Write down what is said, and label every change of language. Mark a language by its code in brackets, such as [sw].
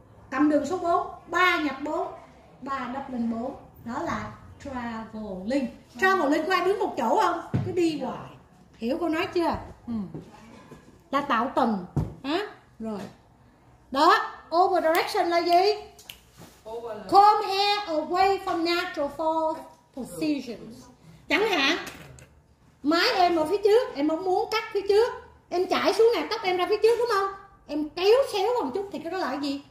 [vi] Cầm đường số 4, 3 nhập 4, 3 đắp lên 4. Đó là traveling. Traveling có ai đứng một chỗ không? Cứ đi hoài. Hiểu cô nói chưa? Ừ. Là tạo tầng. Hả? Rồi. Đó, Over direction là gì? [en] Comb hair away from natural fall positions. [vi] Chẳng hạn, mái em ở phía trước, em không muốn cắt phía trước, em chải xuống ngàn tóc em ra phía trước đúng không? Em kéo xéo một chút thì cái đó là cái gì?